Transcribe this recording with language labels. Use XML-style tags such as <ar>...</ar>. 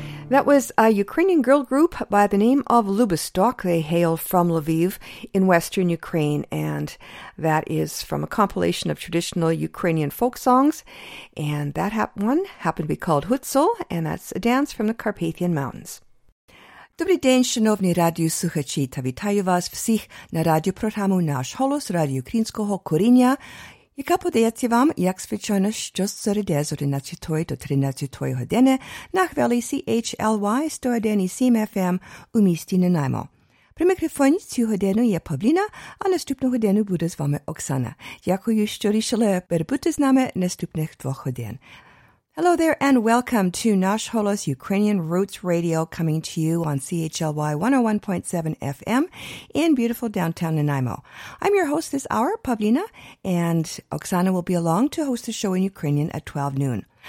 <en>That was a Ukrainian girl group by the name of Lubostok. They hail from Lviv in western Ukraine, and that is from a compilation of traditional Ukrainian folk songs, and that one happened to be called Hutsul, and that's a dance from the Carpathian Mountains.</en> <uk>Добрий день, шановні радіослухачі, та вітаю вас всіх на радіопрограму «Наш голос» Радіо Українського коріння, яка подається вам, як звичайно, щосереди з 11 до 13 години на хвилі CHLY 101.7 FM у місті Нанаймо. При мікрофоні цю годину є Павліна, а наступну годину буде з вами Оксана. Дякую, що рішили перебути з нами наступних 2 годин.</uk> <en>Hello there and welcome to Nash Holos Ukrainian Roots Radio coming to you on CHLY 101.7 FM in beautiful downtown Nanaimo. I'm your host this hour, Pavlina, and Oksana will be along to host the show in Ukrainian at 12 noon.</en>